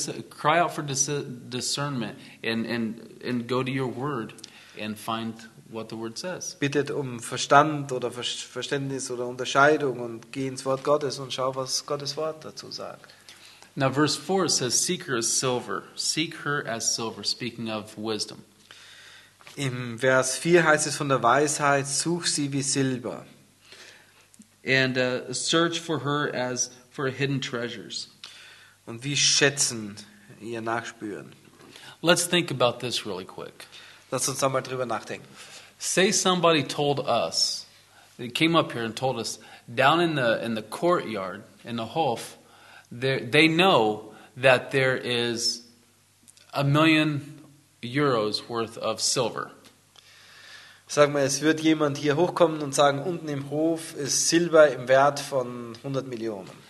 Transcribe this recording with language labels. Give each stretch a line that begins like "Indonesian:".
English: cry out for discernment and go to your word and find what the word says.
German: Bittet um Verstand oder Verständnis oder Unterscheidung und geh ins Wort Gottes und schau, was Gottes Wort dazu sagt.
English: Now verse 4 says, seek her as silver. Seek her as silver, speaking of wisdom.
German: Im Vers 4 heißt es von der Weisheit, such sie wie Silber.
English: And search for her as for hidden treasures.
German: Und wie schätzen, ihr nachspüren.
English: Let's think about this really quick.
German: Lass uns einmal drüber nachdenken.
English: Say somebody told us, they came up here and told us, down in the courtyard, in the Hof, they know that there is €1 million worth of silver.
German: Sag mal, es wird jemand hier hochkommen und sagen, unten im Hof ist Silber im Wert von 100 Millionen.